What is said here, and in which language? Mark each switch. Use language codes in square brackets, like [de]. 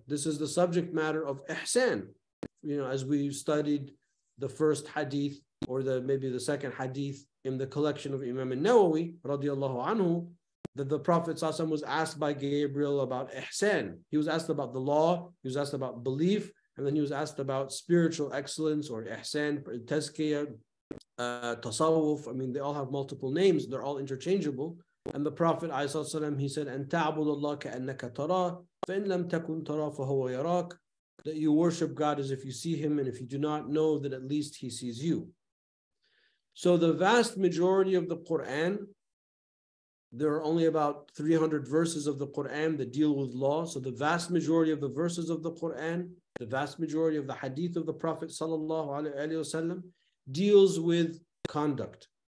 [en] This is the subject matter of ihsan. You know, as we studied the first hadith or maybe the second hadith in the collection of Imam al-Nawawi, radiallahu anhu, that the Prophet ﷺ was asked by Gabriel about ihsan. He was asked about the law, he was asked about belief, and then he was asked about spiritual excellence or ihsan, tazkiyah, tasawwuf. I mean, they all have multiple names. They're all interchangeable. And the Prophet, ﷺ, he said, [ar] أَنْتَعْبُدُ اللَّهَ كَأَنَّكَ تَرَى فَإِنْ لَمْ تَكُنْ تَرَى فَهُوَ يَرَاكَ. [en] That you worship God as if you see him, and if you do not know, that at least he sees you. So the vast majority of the Quran, there are only about 300 verses of the Quran that deal with law. So the vast majority of the verses of the Quran, the vast majority of the hadith of the Prophet sallallahu alaihi wasallam, deals with conduct.